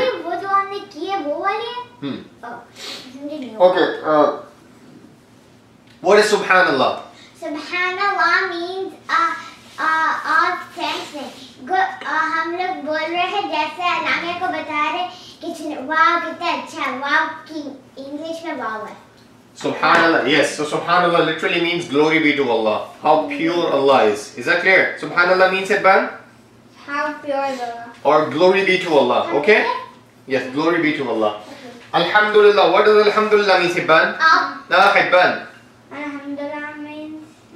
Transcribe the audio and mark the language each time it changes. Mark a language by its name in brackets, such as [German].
[English] You want to put on the key of who are you? Hmm. Oh, okay. What is Subhanallah? Subhanallah means all thanks. Good. [Hindi] हम लोग बोल रहे जैसे आलमिया को बता रहे कि वाउ कितना अच्छा वाउ कि इंग्लिश में वाउ है. [English] Subhanallah, yes. So Subhanallah literally means glory be to Allah. How pure Allah is. Is that clear? Subhanallah means it, Ban? How pure Allah. Or glory be to Allah, okay? Yes, glory be to Allah. Okay. Alhamdulillah, what does Alhamdulillah mean, Ban? Alhamdulillah means...